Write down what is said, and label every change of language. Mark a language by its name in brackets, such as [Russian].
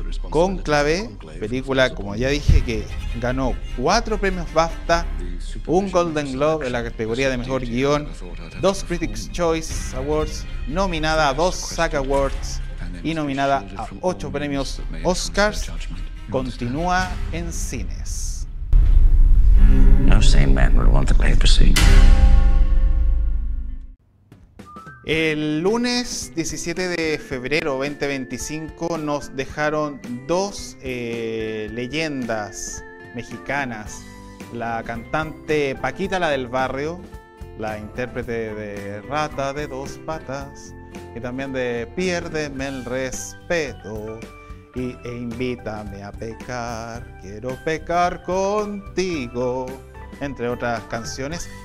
[Spanish] Conclave, película, como ya dije, que ganó 4 premios BAFTA, un Golden Globe en la categoría de Mejor Guión, 2 Critics' Choice Awards, nominada a 2 SAG Awards y nominada a 8 premios Oscars, continúa en cines. [English] No sane man would want the papacy. [Spanish] El lunes 17 de febrero 2025 nos dejaron dos leyendas mexicanas. La cantante Paquita, la del barrio, la intérprete de Rata de dos patas, y también de Piérdeme el respeto e Invítame a pecar, quiero pecar contigo, entre otras canciones.